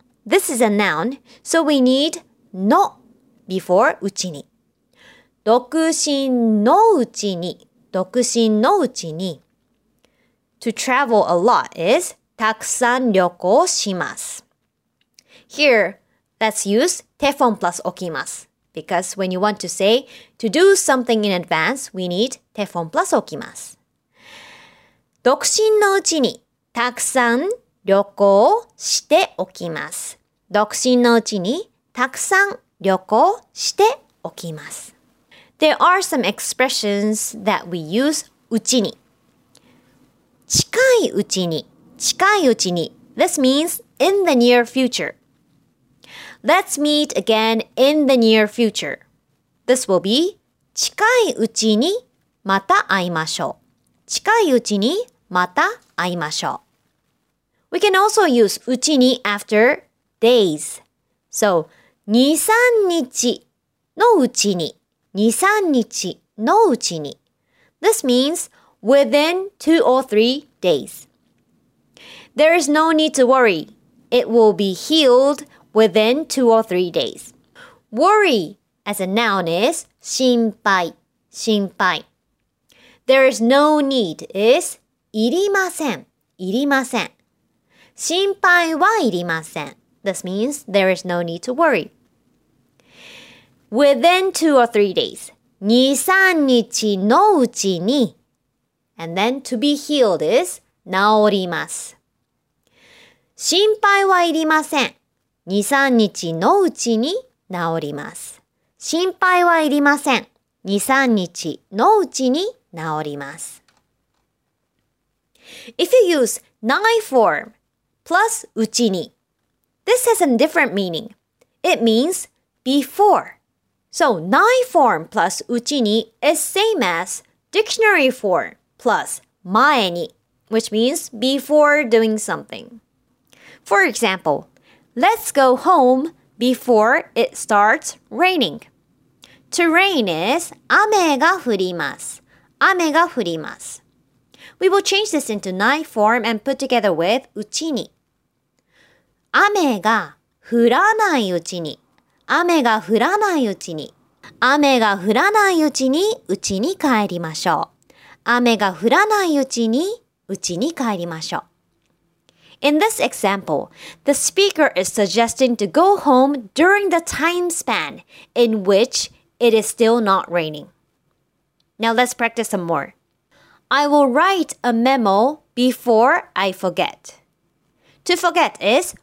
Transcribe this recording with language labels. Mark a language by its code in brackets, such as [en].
[en] This is a noun, so we need の before うちに. [ja] 独身のうちに, 独身のうちに. [en] To travel a lot is [ja] たくさん旅行します. [en] Here, Let's use teffon plus okimasu. Because when you want to say to do something in advance, we need teffon plus okimasu. [ja] 独身のうちにたくさん旅行しておきます。独身のうちにたくさん旅行しておきます。 [en] There are some expressions that we use うちに。 [ja] 近いうちに、近いうちに。 [en] This means in the near future. Let's meet again in the near future. This will be [ja] 近いうちにまた会いましょう。近いうちにまた会いましょう。 [en] We can also use うちに after days. So, [ja] 2-3日のうちに、2-3日のうちに。 [en] This means within 2 or 3 days. There is no need to worry. It will be healed within 2 or 3 days. Worry as a noun is [ja] 心配、心配。 [en] There is no need is [ja] いりません、いりません。心配はいりません。 [en] This means there is no need to worry. Within 2 or 3 days. [ja] 2-3日のうちに。 [en] And then to be healed is 治ります。 [ja] 心配はいりません。2-3日のうちに治ります。心配はいりません。2-3日のうちに治ります。 [en] If you use 9 form,plus うちに. This has a different meaning. It means before. So, 9 form plus うちに is same as dictionary form plus 前に, which means before doing something. For example, let's go home before it starts raining. To rain is [ja] 雨が降ります.雨が降ります. [en] We will change this into 9 form and put together with うちに. [ja] 雨が降らないうちに、雨が降らないうちに、雨が降らないうちに、うちに帰りましょう。雨が降らないうちに、うちに帰りましょう。 [en] In this example, the speaker is suggesting to go home during the time span in which it is still not raining. Now let's practice some more. I will write a memo before I forget. To forget is